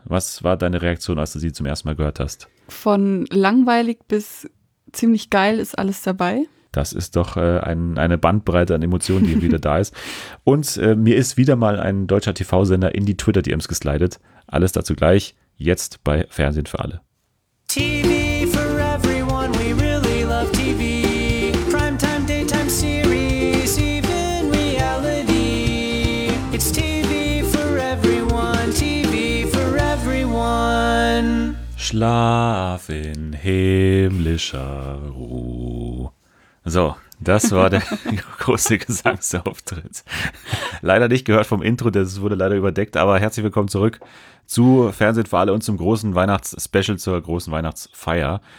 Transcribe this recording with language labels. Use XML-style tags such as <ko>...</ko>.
<de>Was war deine Reaktion, als du sie zum ersten Mal gehört hast? Von langweilig bis ziemlich geil ist alles dabei. Das ist doch eine Bandbreite an Emotionen, die wieder da ist. Und mir ist wieder mal ein deutscher TV-Sender in die Twitter-DMs geslidet. Alles dazu gleich, jetzt bei Fernsehen für alle.</de> <en>TV for everyone, we really love TV. Primetime, daytime series, even reality. It's TV for everyone, TV for everyone.</en> <de>Schlaf in himmlischer Ruhe. So, das war der große Gesangsauftritt. Leider nicht gehört vom Intro, das wurde leider überdeckt, aber herzlich willkommen zurück zu Fernsehen für alle und zum großen Weihnachtsspecial, zur großen Weihnachtsfeier.</de>